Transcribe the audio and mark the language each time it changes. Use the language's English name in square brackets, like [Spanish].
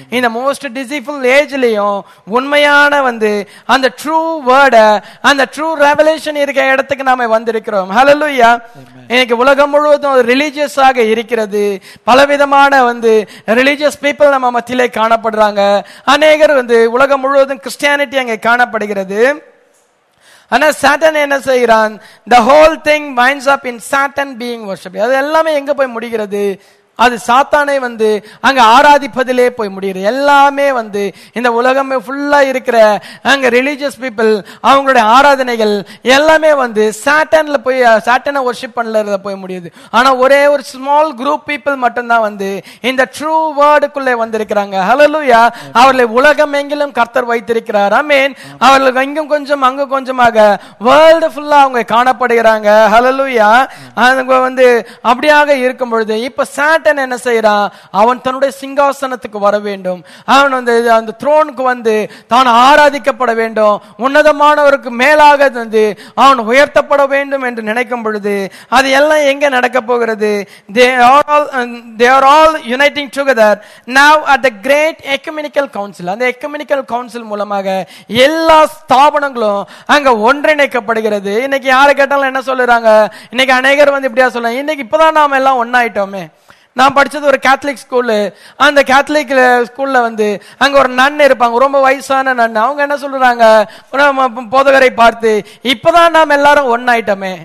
[Tamil] இந்த most disciple ஏஜ்லயும் உண்மையான வந்து அந்த ட்ரூ வேர்ட அந்த ட்ரூ ரெவலூஷன் இருக்க இடத்துக்கு நாம வந்திருக்கிறோம். ஹல்லேலூயா. இன்னைக்கு உலகம் முழுவதும் ரிலிஜியஸ் ஆக இருக்கிறது. பலவிதமான வந்து ரிலிஜியஸ் பீப்புள் நம்ம மத்தியிலே காணப்படுறாங்க. அநேகர் வந்து உலகம் முழுவதும் கிறிஸ்டியானிட்டி அங்கே காணப்படுகிறது. ஆனா சாட்டன் என்ன செய்கிறான்? [English] The whole thing winds up in Satan being worshipped. [Tamil] அது எல்லாமே எங்க போய் முடிகிறது? அது சாத்தானை வந்து அங்க ஆராதிப்பதிலே போய் முடிகிறது. எல்லாமே வந்து இந்த உலகமே ஃபுல்லா இருக்கிற அங்க ரிலீஜியஸ் பீப்புள் அவங்களுடைய ஆராதனைகள் எல்லாமே வந்து சாட்டன்ல போய் சாட்டனை வொர்ஷிப் பண்ணல போய் முடியுது. ஆனா ஒரே ஒரு ஸ்மால் குரூப் பீப்புள் மட்டும்தான் வந்து இந்த ட்ரூ வேர்டுக்குள்ளே வந்திருக்கிறாங்க. ஹல்லேலூயா. அவர்களை உலகம் எங்கிலும் கர்த்தர் வைத்திருக்கிறார். ஆமென். அவர்கள் இங்கும் கொஞ்சம் அங்கு கொஞ்சமாக வேர்ல்டு ஃபுல்லா அவங்க காணப்படுகிறாங்க. ஹல்லேலூயா. அவங்க வந்து அப்படியாக இருக்கும் பொழுது இப்ப சாத்தன் என்ன செய்யறான், அவன் தன்னுடைய சிங்காசனத்துக்கு வர வேண்டும், அவன் வந்து அந்த த்ரோனுக்கு வந்து தான் ஆராதிக்கப்பட வேண்டும், உன்னதமானவருக்கு மேலாக வந்து அவன் உயர்த்தப்பட வேண்டும் என்று நினைக்கும் பொழுது அது எல்லாம் எங்க நடக்க போகிறது? [English] They are all uniting together now at the great ecumenical council. [Tamil] அந்த ecumenical council மூலமாக எல்லா ஸ்தாபனங்களும் அங்க ஒன்றிணைக்கப்படுகிறது. இன்னைக்கு யாரு கேட்டாலும் என்ன சொல்லுறாங்க, இன்னைக்கு அநேகர் வந்து இப்படியா சொல்ல, இன்னைக்கு இப்பதான் நாம எல்லாம் ஒன்னாயிட்டோமே. நான் படித்தது ஒரு கேத்தலிக் ஸ்கூலு, அந்த கேத்தலிக் ஸ்கூலில் வந்து அங்கே ஒரு நன் இருப்பாங்க, ரொம்ப வயசான நன், அவங்க என்ன சொல்கிறாங்க, போதகரை பார்த்து இப்போ தான் நாம் எல்லாரும் ஒன்றாயிட்டோமே.